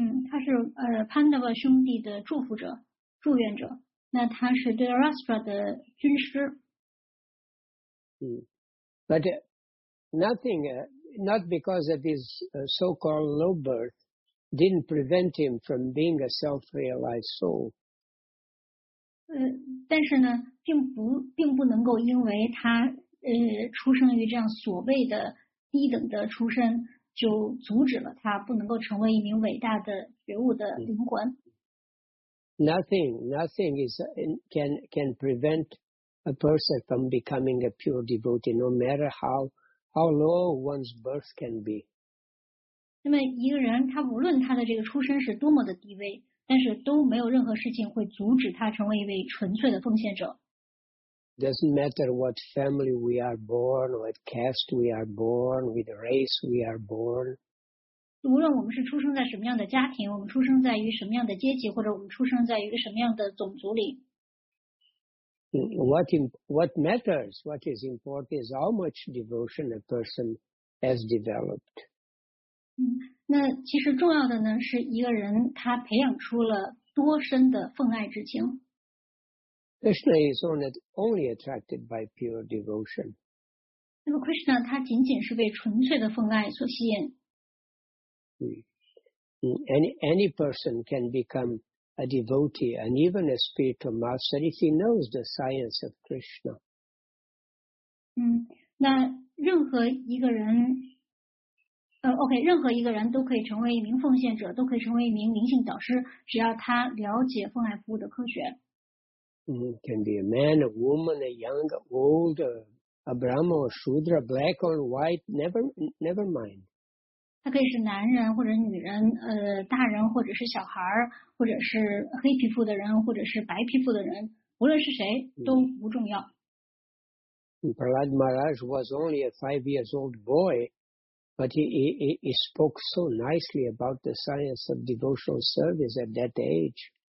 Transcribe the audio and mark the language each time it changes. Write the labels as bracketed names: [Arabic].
[Chinese] 他是Pandava 兄弟的祝福者、祝愿者。那他是 Dhritarashtra 的军师。 [English] But not because of his so-called low birth, didn't prevent him from being a self-realized soul. [Chinese] 但是呢，并不能够因为他出生于这样所谓的低等的出身，就阻止了他不能够成为一名伟大的觉悟的灵魂。 [English] Nothing can prevent a person from becoming a pure devotee, no matter how low one's birth can be. [Chinese] 那么一个人，他无论他的这个出身是多么的低微，但是都没有任何事情会阻止他成为一位纯粹的奉献者。 [English] Doesn't matter what family we are born, what caste we are born, with race we are born. [Chinese] 无论我们是出生在什么样的家庭，我们出生在于什么样的阶级，或者我们出生在一个什么样的种族里。 [English] What matters, what is important, is how much devotion a person has developed. [Chinese] 那其实重要的呢，是一个人他培养出了多深的奉爱之情。 [English] Krishna is only attracted by pure devotion. [Chinese] 那么 Krishna 他仅仅是被纯粹的奉爱所吸引。 [English] Any person can become a devotee and even a spiritual master if he knows the science of Krishna. [Chinese] 那任何一个人任何一个人都可以成为一名奉献者，都可以成为一名灵性导师，只要他了解奉爱服务的科学。 [English] Can be a man, a woman, a young, old, a Brahma or Shudra, black or white, never mind. [Chinese] 他可以是男人或者女人，大人或者是小孩，或者是黑皮肤的人，或者是白皮肤的人，无论是谁都不重要。 [English] Prahlad Maharaj was only a 5-year-old boy, but he spoke so nicely about the science of devotional service at that age.